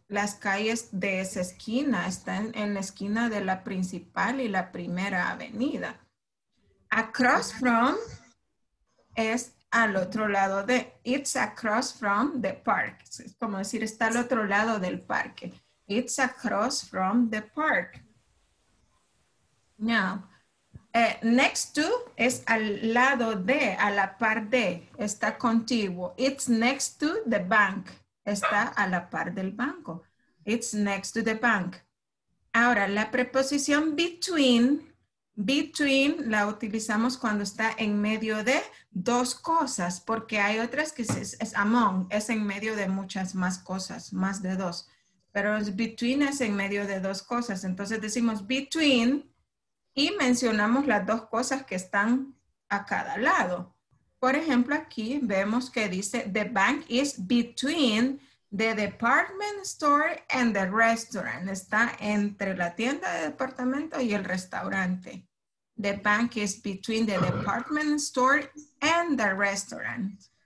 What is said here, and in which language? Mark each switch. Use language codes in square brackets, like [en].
[es] Las calles de esa esquina están en la esquina de la principal y la primera avenida. [en] Across from [es] es al otro lado de, [en] it's across from the park. [es] Es como decir, está al otro lado del parque. [en] It's across from the park. Now, [es] next to es al lado de, a la par de, está contiguo. [en] It's next to the bank. [es] Está a la par del banco. [en] It's next to the bank. [es] Ahora, la preposición [en] between. [es] Between la utilizamos cuando está en medio de dos cosas. Porque hay otras que es among. Es en medio de muchas más cosas. Más de dos. Pero between es en medio de dos cosas. Entonces decimos between. Y mencionamos las dos cosas que están a cada lado. Por ejemplo, aquí vemos que dice [en] the bank is between the department store and the restaurant. [es] Está entre la tienda de departamento y el restaurante. [en] The bank is between the department store and the restaurant.